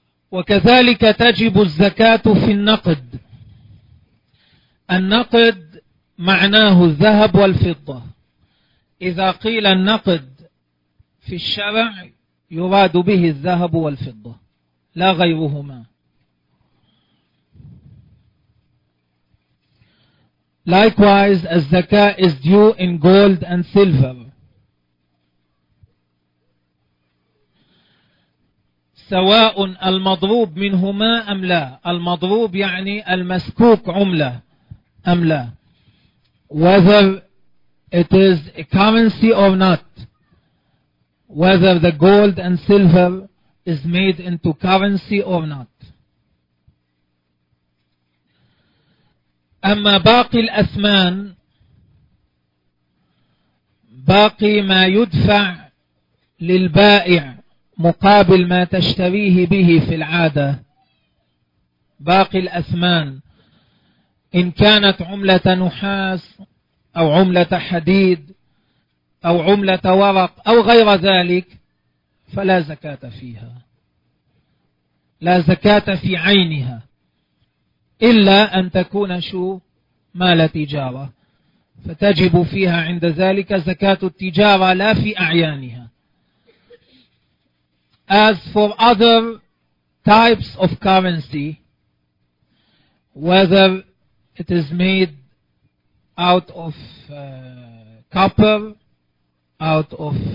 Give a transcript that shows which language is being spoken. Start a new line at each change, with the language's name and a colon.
Arabic: وكذلك تجب الزكاة في النقد. النقد معناه الذهب والفضة. إذا قيل النقد في الشرع يراد به الذهب والفضة لا غيرهما.
English: Likewise, as zakah is due in gold and silver.
Arabic: سواء المضروب منهما أم لا. المضروب يعني المسكوك عملة أم لا.
English: Whether it is a currency or not. Whether the gold and silver is made into currency or not.
Arabic: أما باقي الأثمان, باقي ما يدفع للبائع مقابل ما تشتريه به في العادة, باقي الأثمان إن كانت عملة نحاس أو عملة حديد أو عملة ورق أو غير ذلك فلا زكاة فيها, لا زكاة في عينها إلا أن تكون شو مال تجارة, فتجب فيها عند ذلك زكاة التجارة لا في أعيانها.
English: As for other types of currency, whether it is made out of copper, out of